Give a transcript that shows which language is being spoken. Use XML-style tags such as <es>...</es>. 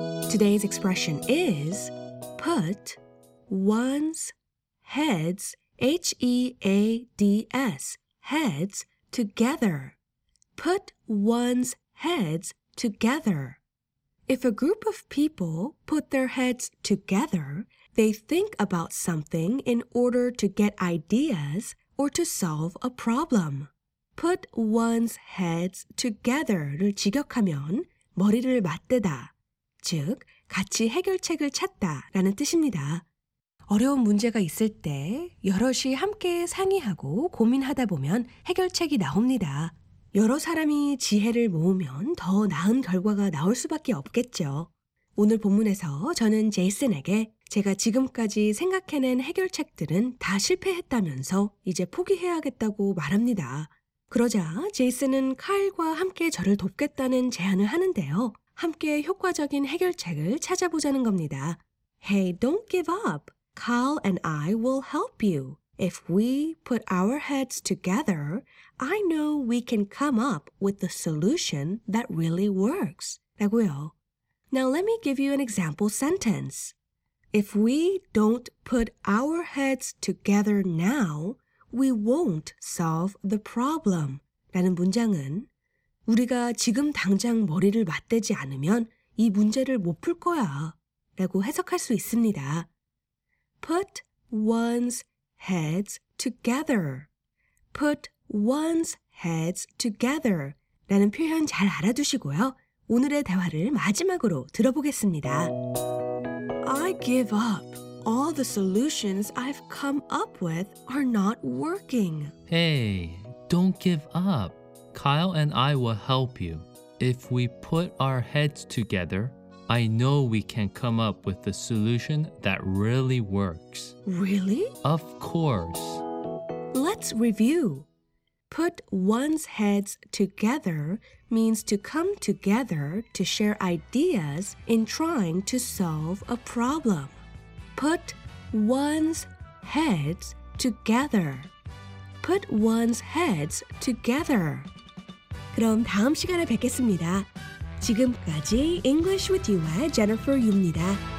<en>Today's expression is put one's heads, H-E-A-D-S, heads together. Put one's heads together. If a group of people put their heads together, they think about something in order to get ideas or to solve a problem. Put one's heads together</en> <ko>를 직역하면 머리를 맞대다. 즉, 같이 해결책을 찾다라는 뜻입니다. 어려운 문제가 있을 때 여럿이 함께 상의하고 고민하다 보면 해결책이 나옵니다. 여러 사람이 지혜를 모으면 더 나은 결과가 나올 수밖에 없겠죠. 오늘 본문에서 저는 제이슨에게 제가 지금까지 생각해낸 해결책들은 다 실패했다면서 이제 포기해야겠다고 말합니다. 그러자 제이슨은 카일과 함께 저를 돕겠다는 제안을 하는데요. 함께 효과적인 해결책을 찾아보자는 겁니다.</ko> <en>Hey, don't give up. Kyle and I will help you. If we put our heads together, I know we can come up with the solution that really works.</en> <ko>라고요.</ko> <en>Now let me give you an example sentence. If we don't put our heads together now, we won't solve the problem.</en> <ko>라는 문장은 우리가 지금 당장 머리를 맞대지 않으면 이 문제를 못 풀 거야. 라고 해석할 수 있습니다.</ko> <en>Put one's heads together. Put one's heads together.</en> <ko>라는 표현 잘 알아두시고요. 오늘의 대화를 마지막으로 들어보겠습니다.</ko> <en>I give up. All the solutions I've come up with are not working. Hey, don't give up. Kyle and I will help you. If we put our heads together, I know we can come up with a solution that really works. Really? Of course. Let's review. Put one's heads together means to come together to share ideas in trying to solve a problem. Put one's heads together. Put one's heads together.</en> <ko>그럼 다음 시간에 뵙겠습니다. 지금까지 English with You의 Jennifer Yu입니다.</ko>